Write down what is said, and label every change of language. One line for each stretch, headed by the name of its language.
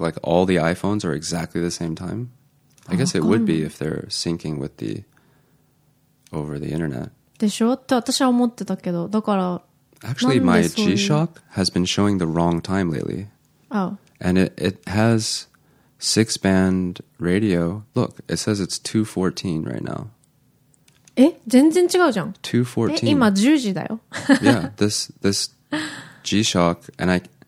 English: Like all the iPhones are exactly the same time? I guess it would be if they're syncing with the... Over the internet.
Japanese: でしょ? って私は思ってたけど、だから...
English: Actually, my G-Shock has been showing the wrong time lately. Oh. And it has 6-band radio. Look, it says it's 2:14 right now.
Japanese: え?全然違うじゃん。 214。え?今10時だよ。
English: yeah, this G-Shock, and I...